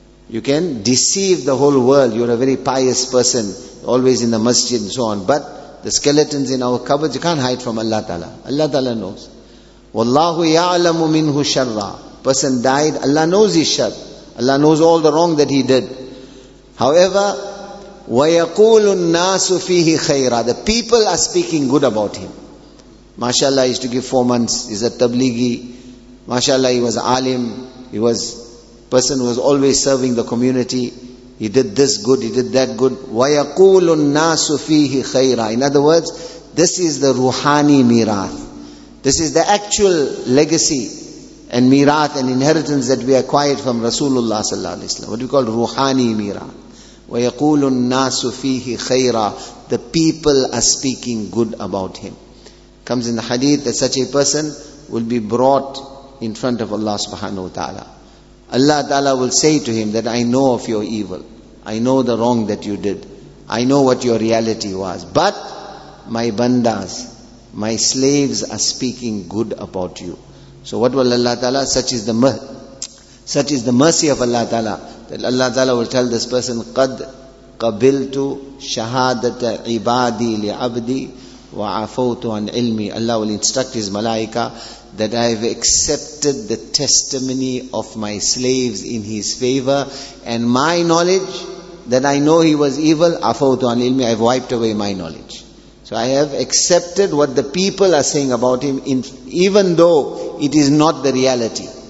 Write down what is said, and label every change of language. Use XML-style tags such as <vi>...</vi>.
<en>You can deceive the whole world. You're a very pious person, always in the masjid and so on. But the skeletons in our cupboards, you can't hide from Allah Ta'ala. Allah Ta'ala knows.</en> <ar>Wallahu ya'lamu minhu sharra.</ar> <en>Person died, Allah knows his sharr. Allah knows all the wrong that he did.</en> <ar>However, وَيَقُولُ النَّاسُ فِيهِ خَيْرًا.</ar> <en>The people are speaking good about him. MashaAllah, he used to give 4 months. He's a tablighi. MashaAllah, he was alim. He was a person who was always serving the community. He did this good, he did that good.</en> <ar>وَيَقُولُ النَّاسُ فِيهِ خَيْرًا.</ar> <en>In other words, this is the ruhani mirath. This is the actual legacy and mirath and inheritance that we acquired from Rasulullah sallallahu alaihi wasallam. What do we call ruhani mirath?</en> <ar>وَيَقُولُ النَّاسُ فِيهِ خَيْرًا.</ar> <en>The people are speaking good about him. Comes in the hadith that such a person will be brought in front of Allah subhanahu wa ta'ala. Allah ta'ala will say to him that I know of your evil. I know the wrong that you did. I know what your reality was. But my bandas, my slaves are speaking good about you. So what will Allah ta'ala? Such is the mercy of Allah ta'ala. That Allah ta'ala will tell this person,</en> <ar>قَدْ قَبِلْتُ شَهَادَةَ عِبَادِي لِعَبْدِي وَعَفَوْتُ عَنْ عِلْمِي.</ar> <en>Allah will instruct his malaika that I have accepted the testimony of my slaves in his favor, and my knowledge that I know he was evil,</en> <ar>عَفَوْتُ عَنْ عِلْمِي,</ar> <en>I have wiped away my knowledge. So I have accepted what the people are saying about him, even though it is not the reality.</en>